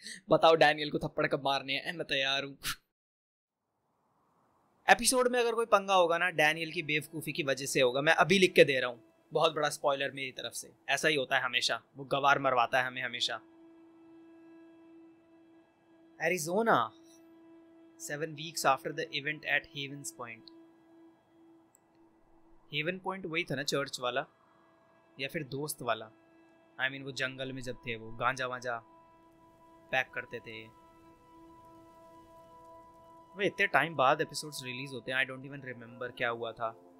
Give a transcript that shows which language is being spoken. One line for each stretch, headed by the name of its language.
Hindi: बताओ डैनियल को थप्पड़ कब मारने हैं, मैं तैयार हूँ। एपिसोड में अगर कोई पंगा होगा ना, डैनियल की बेवकूफी की वजह से होगा। मैं अभी लिख के दे रहा हूँ, बहुत बड़ा स्पॉयलर मेरी तरफ से। ऐसा ही होता है हमेशा, वो गवार मरवाता है हमें हमेशा।
English: Arizona, 7 weeks after the event at Haven's Point.
Hindi: Haven Point वही था ना चर्च वाला, या फिर दोस्त वाला? आई मीन वो जंगल में जब थे वो गांजा वांजा पैक करते थे। वो इतने टाइम बाद एपिसोड्स रिलीज होते हैं,
English: I don't even remember
Hindi: क्या हुआ था।